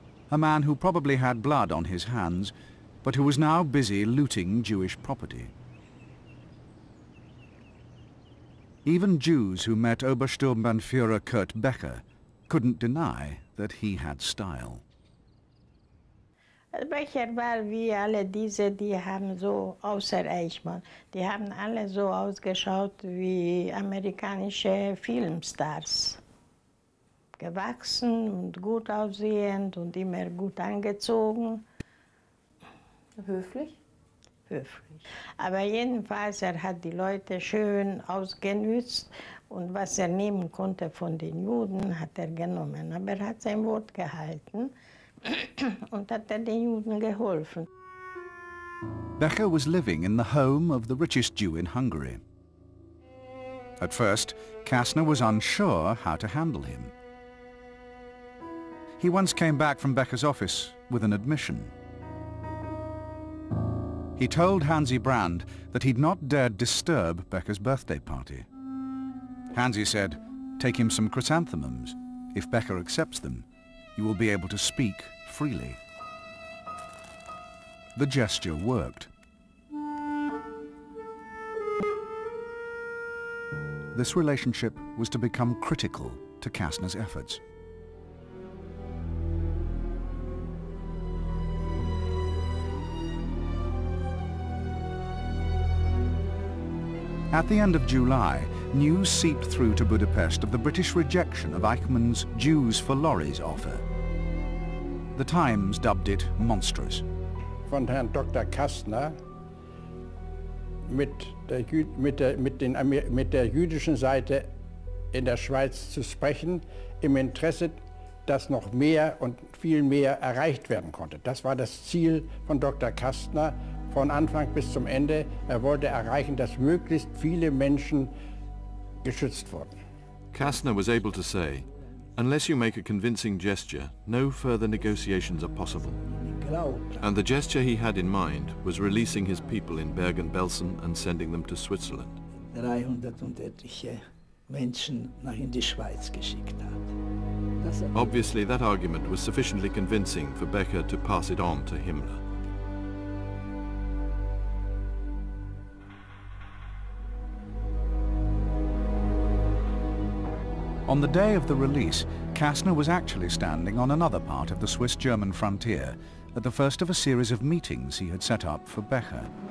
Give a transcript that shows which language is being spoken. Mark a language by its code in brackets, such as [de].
[en] A man who probably had blood on his hands, but who was now busy looting Jewish property. Even Jews who met Obersturmbannführer Kurt Becker couldn't deny that he had style. [de] Becher war wie alle diese, die haben so, außer Eichmann, die haben alle so ausgeschaut wie amerikanische Filmstars. Gewachsen und gut aussehend und immer gut angezogen. Höflich? Höflich. Aber jedenfalls, er hat die Leute schön ausgenützt und was er nehmen konnte von den Juden, hat er genommen. Aber er hat sein Wort gehalten. Und hat er den Juden geholfen. [en] Becher was living in the home of the richest Jew in Hungary. At first, Kasztner was unsure how to handle him. He once came back from Becher's office with an admission. He told Hansi Brand that he'd not dared disturb Becher's birthday party. Hansi said, "Take him some chrysanthemums. If Becher accepts them, you will be able to speak freely." The gesture worked. This relationship was to become critical to Kasztner's efforts. At the end of July, news seeped through to Budapest of the British rejection of Eichmann's Jews for Lorries offer. The Times dubbed it monstrous. [de] Von Herrn Dr. Kasztner mit der jüdischen Seite in der Schweiz zu sprechen, im Interesse, dass noch mehr und viel mehr erreicht werden konnte. Das war das Ziel von Dr. Kasztner von Anfang bis zum Ende. Er wollte erreichen, dass möglichst viele Menschen geschützt wurden. [en] Kasztner was able to say, Unless you make a convincing gesture, no further negotiations are possible. And the gesture he had in mind was releasing his people in Bergen-Belsen and sending them to Switzerland. [de] 300 Menschen nach in die Schweiz geschickt hat. [en] Obviously, that argument was sufficiently convincing for Becker to pass it on to Himmler. On the day of the release, Kasztner was actually standing on another part of the Swiss-German frontier at the first of a series of meetings he had set up for Becher.